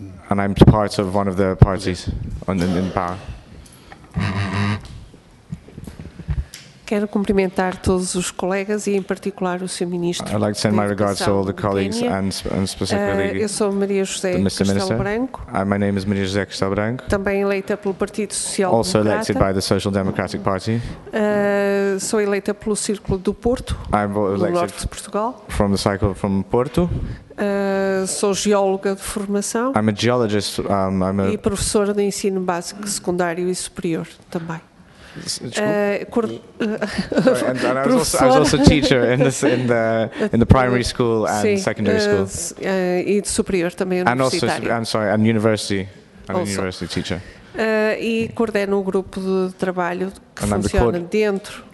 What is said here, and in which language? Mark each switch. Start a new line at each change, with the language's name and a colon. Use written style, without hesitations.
English: And I'm part of one of the parties in power.
Portuguese: Quero cumprimentar todos os colegas e em particular o Sr. Ministro.
English: I'd like to send my regards to all the colleagues and specifically.
Portuguese: Eu sou Maria José Cristal Branco.
English: My name is Maria José Cristal Branco.
Portuguese: Também eleita pelo Partido Social
English: Democrata. Also elected by the Social Democratic Party.
Portuguese: Sou eleita pelo Círculo do Porto.
English: I'm elected
Portuguese: do Norte de Portugal.
English: From the cycle from Porto.
Portuguese: Sou geóloga de formação.
English: I'm a geologist.
Portuguese: E professora de ensino básico, secundário e superior também.
English: I was also a teacher in the primary school and
Portuguese: sim,
English: secondary school.
Portuguese: E de superior também universitário.
English: And also, I'm university. I'm a university teacher.
Portuguese: E coordeno o grupo de trabalho que
English: and
Portuguese: funciona
English: the
Portuguese: dentro.